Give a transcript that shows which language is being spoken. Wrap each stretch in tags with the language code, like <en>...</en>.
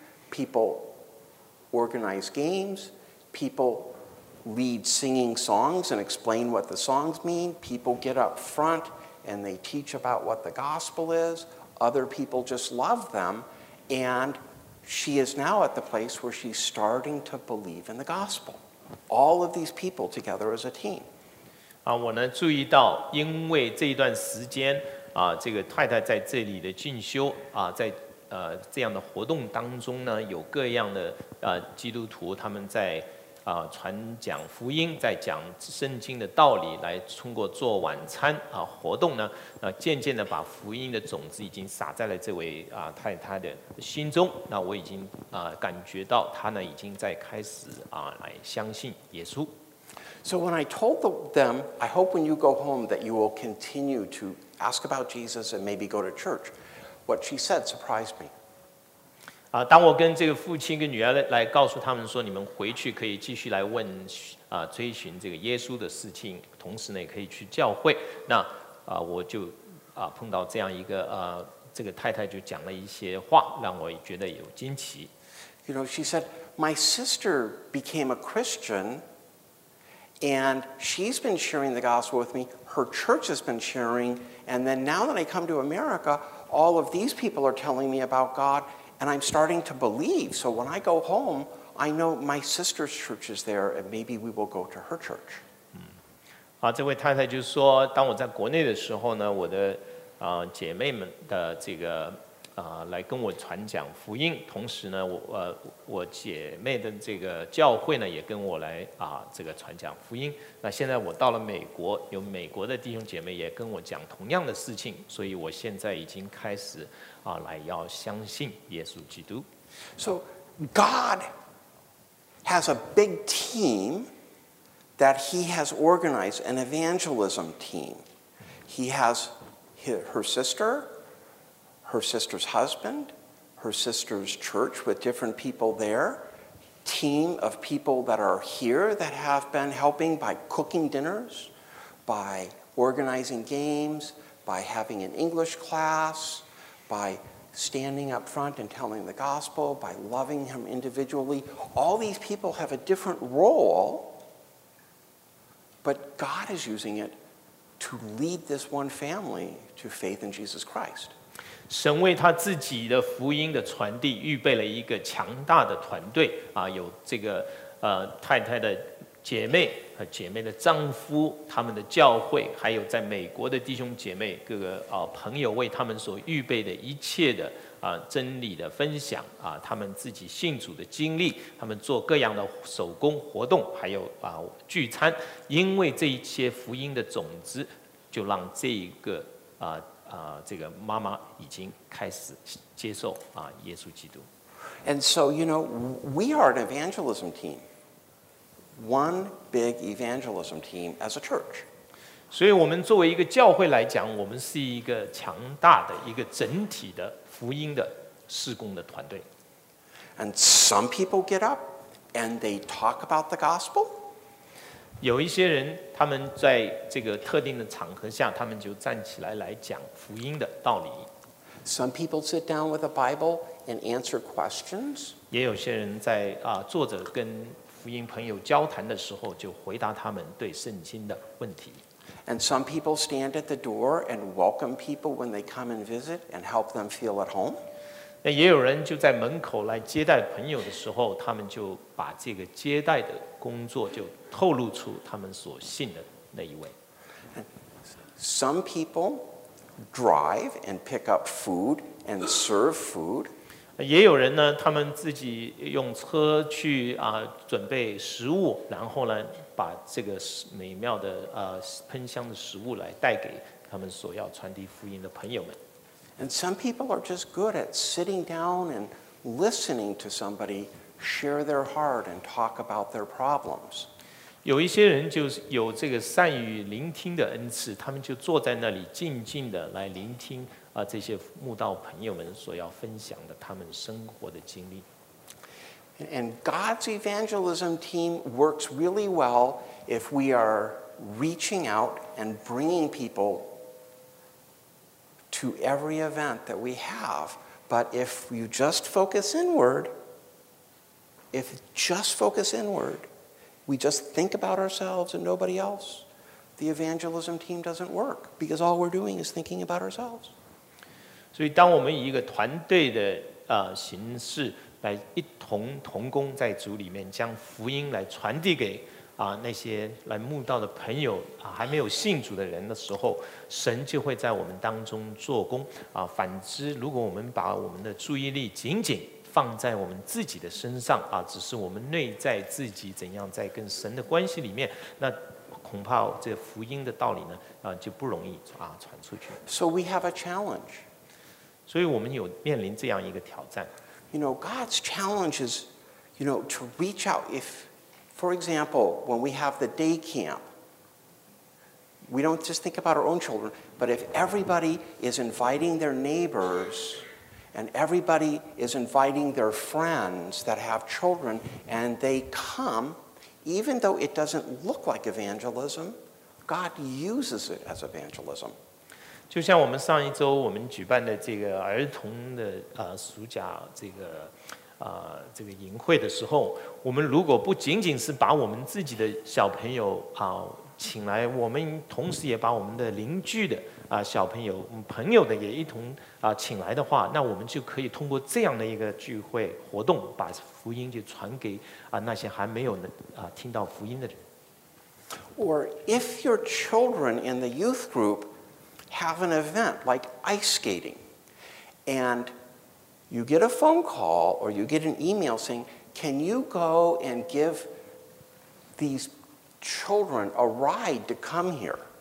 <en>People organize games. People lead singing songs and explain what the songs mean. People get up front. And they teach about what the gospel is. Other people just love them. And she is now at the place where she's starting to believe in the gospel. All of these people together as a team.</en> <zh>我呢注意到，因为这一段时间，这个太太在这里的进修，在这样的活动当中呢，有各样的基督徒，他们在传讲福音，在讲圣经的道理，来通过做晚餐活动呢，渐渐的把福音的种子已经撒在了这位太太的心中。那我已经感觉到她呢已经在开始来相信耶稣。</zh> <en>So when I told them, I hope when you go home that you will continue to ask about Jesus and maybe go to church, what she said surprised me.</en> <zh>当我跟这个父亲跟女儿来告诉他们说，你们回去可以继续来问追寻这个耶稣的事情，同时呢也可以去教会。那我就碰到这样一个这个太太就讲了一些话，让我觉得有惊奇。</zh> <en>You know, she said, my sister became a Christian, and she's been sharing the gospel with me. Her church has been sharing, and then now that I come to America, all of these people are telling me about God. And I'm starting to believe. So when I go home, I know my sister's church is there, and maybe we will go to her church.</en> <zh>这位太太就说，当我在国内的时候呢，我的姐妹们的这个来跟我传讲福音，同时呢 我姐妹的这个教会呢也跟我来这个传讲福音。那现在我到了美国，有美国的弟兄姐妹也跟我讲同样的事情，所以我现在已经开始来要相信耶稣基督。</zh> <en>So God has a big team that he has organized, an evangelism team. He has her sister, her sister's husband, her sister's church with different people there, team of people that are here that have been helping by cooking dinners, by organizing games, by having an English class, by standing up front and telling the gospel, by loving him individually. All these people have a different role, but God is using it to lead this one family to faith in Jesus Christ.</en> <zh>神为他自己的福音的传递预备了一个强大的团队，有这个太太的姐妹和姐妹的丈夫，他们的教会，还有在美国的弟兄姐妹，各个朋友为他们所预备的一切的真理的分享，他们自己信主的经历，他们做各样的手工活动，还有聚餐，因为这一些福音的种子，就让这一个这个妈妈已经开始接受耶稣基督。</zh> <en>And so, you know, we are an evangelism team. One big evangelism team as a church.</en> <zh>所以我们作为一个教会来讲，我们是一个强大的一个整体的福音的事工的团队。</zh> <en>And some people get up and they talk about the gospel.</en> <zh>有一些人他们在这个特定的场合下他们就站起来来讲福音的道理。</zh> <en>Some people sit down with a Bible and answer questions.</en> <zh>也有些人在坐着跟福音朋友交谈的时候就回答他们对圣经的问题。</zh> <en>And some people stand at the door and welcome people when they come and visit and help them feel at home.</en> <zh>那也有人就在门口来接待朋友的时候他们就把这个接待的工作就透露出他们所信的那一位。</zh> <en>Some people drive and pick up food and serve food.</en> <zh>也有人呢，他们自己用车去准备食物，然后呢，把这个美妙的喷香的食物来带给他们所要传递福音的朋友们。</zh> <en>And some people are just good at sitting down and listening to somebody share their heart and talk about their problems.</en> <zh>有一些人就是有这个善于聆听的恩赐，他们就坐在那里静静的来聆听这些慕道朋友们所要分享的他们生活的经历。</zh> <en>And God's evangelism team works really well if we are reaching out and bringing people to every event that we have. But if you just focus inward, if just focus inward,We just think about ourselves and nobody else. The evangelism team doesn't work because all we're doing is thinking about ourselves.</en> <zh>所以当我们以一个团队的形式来一同同工在主里面将福音来传递给那些来慕道的朋友还没有信主的人的时候神就会在我们当中做工反之如果我们把我们的注意力紧紧放在我们自己的身上只是我们内在自己怎样在跟神的关系里面那恐怕这福音的道理呢就不容易传出去。</zh> <en>So we have a challenge.</en> <zh>所以我们有面临这样一个挑战。</zh> <en>You know, God's challenge is, you know, to reach out. If, for example, when we have the day camp, we don't just think about our own children, but if everybody is inviting their neighbors,And everybody is inviting their friends that have children, and they come, even though it doesn't look like evangelism, God uses it as evangelism.</en> <zh>就像我们上一周我们举办的这个儿童的暑假这个营会的时候，我们如果不仅仅是把我们自己的小朋友请来，我们同时也把我们的邻居的小朋友朋友的也一同请来的话那我们就可以通过这样的一个聚会活动把福音就传给那些还没有听到福音的人</zh> <en>Or if your children in the youth group have an event like ice skating and You get a phone call or you get an email saying, can you go and give these children a ride to come here?</en>